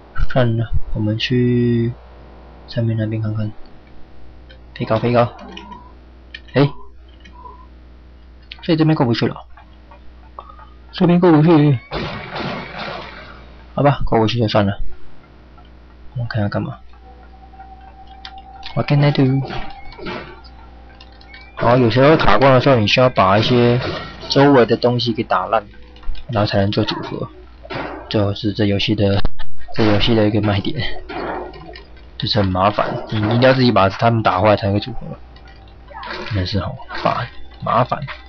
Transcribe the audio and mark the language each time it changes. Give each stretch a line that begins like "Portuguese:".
Chinese: 算了，我们去上面那边看看。飞高。所以这边过不去了，这边过不去，好吧，过不去就算了。我们看看干嘛
English: ？What can I do？
Chinese: 好，有时候卡关的时候，你需要把一些周围的东西给打烂，然后才能做组合，就是这游戏的一个卖点，就是很麻烦，你一定要自己把他们打坏才能组合，真的是好烦，麻烦。